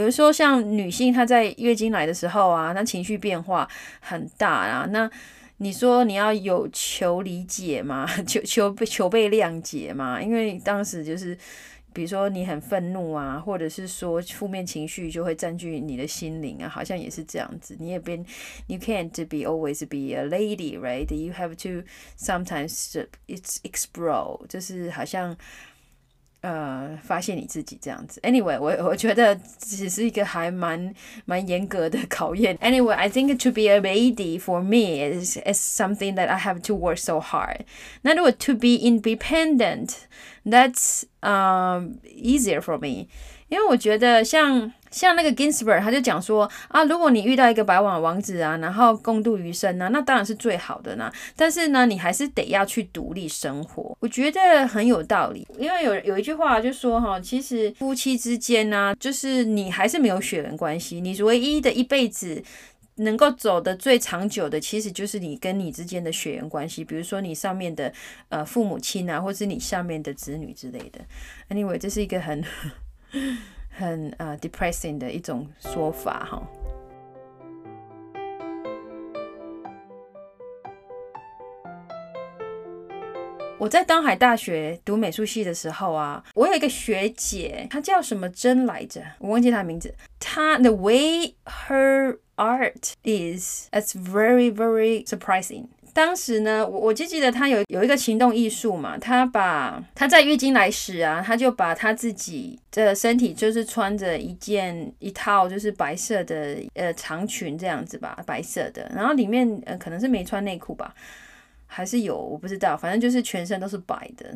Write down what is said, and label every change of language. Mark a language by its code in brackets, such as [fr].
[zh] 有的时候像女性她在月经来的时候啊，那情绪变化很大啦，那你说你要有求理解吗？求被谅解吗？因为当时就是比如说你很愤怒啊，或者是说负面情绪就会占据你的心灵啊，好像也是这样子。你也别 [en] ，you can't be always be a lady, right? You have to sometimes explore， [zh] 就是好像发现你自己这样子。 Anyway， 我觉得只是一个还蛮严格的考验。 [en] Anyway， I think to be a lady for me is something that I have to work so hard。 [zh] 那如果 [en] to be independent， that's easier for me， [zh] 因为我觉得像那个 Ginsburg， 他就讲说啊，如果你遇到一个白马王子啊，然后共度余生啊，那当然是最好的呢。但是呢，你还是得要去独立生活。我觉得很有道理，因为有一句话就说哈，其实夫妻之间呢、啊，就是你还是没有血缘关系，你唯一的一辈子能够走的最长久的，其实就是你跟你之间的血缘关系，比如说你上面的父母亲啊，或是你下面的子女之类的。Anyway， 这是一个很。很depressing 的一种说法哈。我在东海大学读美术系的时候啊，我有一个学姐，她叫什么珍来着，我忘记她的名字。 [en] 她 the way her art is it's very very surprising。 [zh] 当时呢，我就记得他有一个行动艺术嘛，他在月经来时啊，他就把他自己的身体就是穿着一套就是白色的长裙这样子吧，白色的，然后里面可能是没穿内裤吧，还是有我不知道，反正就是全身都是白的。